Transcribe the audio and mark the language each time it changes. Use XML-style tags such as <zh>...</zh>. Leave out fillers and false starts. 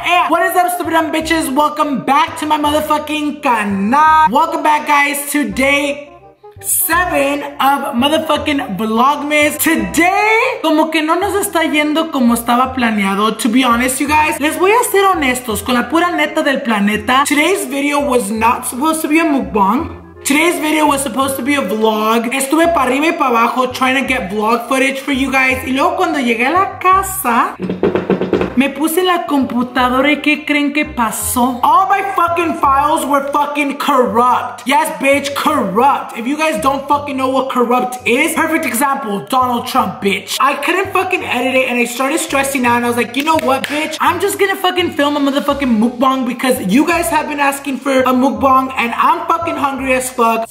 <en>What is up, stupid dumb bitches? Welcome back to my motherfucking canal. Welcome back, guys, to day 7 of motherfucking Vlogmas. Today,</en> <es>como que no nos está yendo como estaba planeado,</es> <en>to be honest, you guys.</en> <es>Les voy a ser honestos, con la pura neta del planeta.</es> <en>Today's video was not supposed to be a mukbang. Today's video was supposed to be a vlog.</en> <es>Estuve para arriba y para abajo</es> <en>trying to get vlog footage for you guys.</en> <es>Y luego cuando llegué a la casa, me puse la computadora y ¿qué creen que pasó?</es> <en>All my fucking files were fucking corrupt. Yes, bitch, corrupt. If you guys don't fucking know what corrupt is, perfect example, Donald Trump, bitch. I couldn't fucking edit it and I started stressing out and I was like, you know what, bitch? I'm just gonna fucking film a motherfucking mukbang because you guys have been asking for a mukbang and I'm fucking hungry as fuck.</en>